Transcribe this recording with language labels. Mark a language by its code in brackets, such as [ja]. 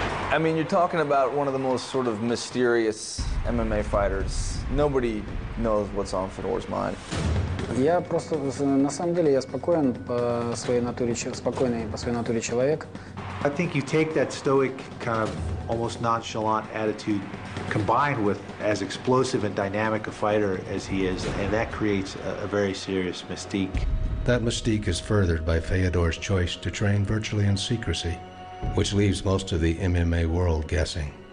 [en] I mean, you're talking about one of the most sort of mysterious MMA fighters. Nobody knows what's on Fedor's mind. [ru] Я просто, на самом деле, я спокоен по своей натуре, спокойный по своей натуре человек. [en] I think you take that stoic, kind of almost nonchalant attitude, combined with as explosive and dynamic a fighter as he is, and that creates a very serious mystique. That mystique is furthered by Fedor's choice to train virtually in secrecy, which leaves most of the MMA world guessing.